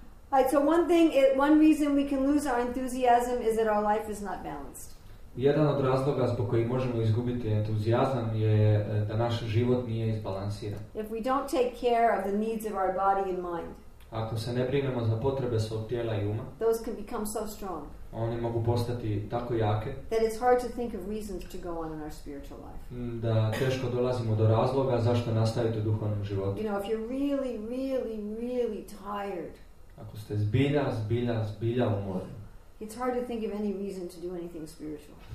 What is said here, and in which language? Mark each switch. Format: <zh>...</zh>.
<en>All right, so one reason we can lose our enthusiasm is that our life is not balanced.</en> <hr>Jedan od razloga zbog koji možemo izgubiti entuzijazam je da naš život nije izbalansiran.</hr> <en>If we don't take care of the needs of our body and mind,</en> <hr>ako se ne brinemo za potrebe svog tijela i uma,</hr> <en>those can become so strong.</en> <hr>Oni mogu postati tako jake</hr> <en>that it's hard to think of reasons to go on in our spiritual life.</en> <hr>Da teško dolazimo do razloga zašto nastaviti u duhovnom životu.</hr> <en>You know, if you're really, really, really tired,</en> <hr>ako ste zbilja, zbilja, zbilja umorni,</hr> <en>it's hard to think of any reason to do anything spiritual.</en>